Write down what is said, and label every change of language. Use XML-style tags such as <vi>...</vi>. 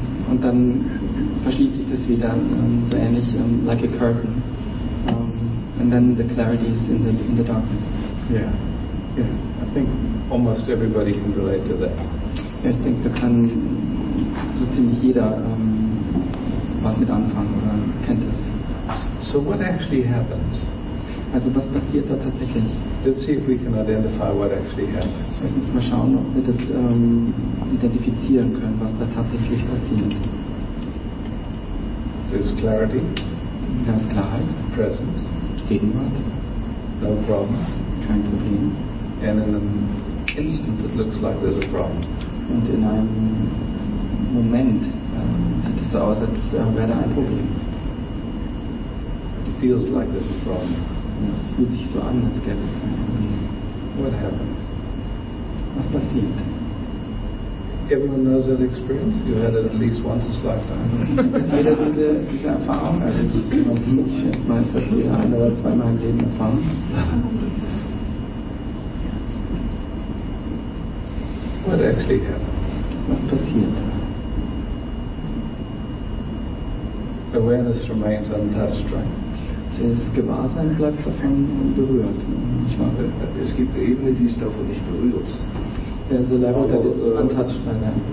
<de>und dann verschließt sich das wieder, so ähnlich,</de> <en>like a curtain. And then the clarity is in the darkness. Yeah, I think almost everybody can relate to that.</en> <de>Ja, ich denke, da kann so ziemlich jeder was mit anfangen oder kennt das.</de> <en>So what actually happens?</en> <de>Also was passiert da tatsächlich?</de> <en>Let's see if we can identify what actually happens.</en> <de>Lass uns mal schauen, ob wir das identifizieren können, was da tatsächlich passiert.</de> <en>There's clarity.</en> <de>Da ist Klarheit.</de> <en>Presence.</en> <de>Gegenwart.</de> <en>No problem.</en> <de>Kein Problem.</de> <en>And in an instant it looks like there's a problem.</en> <de>Und in einem Moment sieht es so aus, als wäre da ein Problem.</de> <en>It feels like there's a problem.</en> <de>Es fühlt sich so an, als gäbe es ein</de> <en>Problem. What happens?</en> <de>Was passiert?</de> <en>Everyone knows that experience. You had it at least once in his lifetime.</en> <de>Jeder hat diese Erfahrung. Also ich meine, ich habe ein oder zweimal im Leben erfahren.</de> <en>What actually happens?</en> <de>Was passiert?</de> <en>Awareness remains untouched, right?</en> <de>Das Gewahrsein bleibt davon unberührt. Es gibt eine Ebene, die ist davon nicht berührt.</de> <en>There's a level that is untouched by that.</en>